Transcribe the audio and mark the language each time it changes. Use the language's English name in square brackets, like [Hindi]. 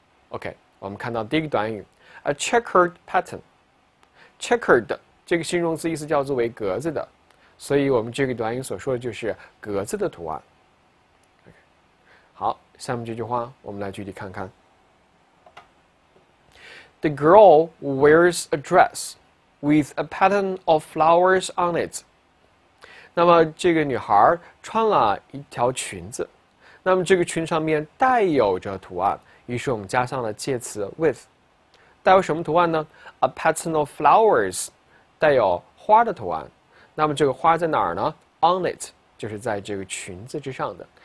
[Chinese] OK，我们看到第一个短语，a checkered pattern。 Checkered 这个形容词意思叫做为格子的，所以我们这个短语所说的就是格子的图案。好，下面这句话我们来具体看看。 [English] The girl wears a dress with a pattern of flowers on it。 [Chinese] 那么这个女孩穿了一条裙子，那么这个裙上面带有着图案，于是我们加上了介词 with。带有什么图案呢？ [English] A pattern of flowers， [Chinese] 带有花的图案。那么这个花在哪儿呢？On it，就是在这个裙子之上的。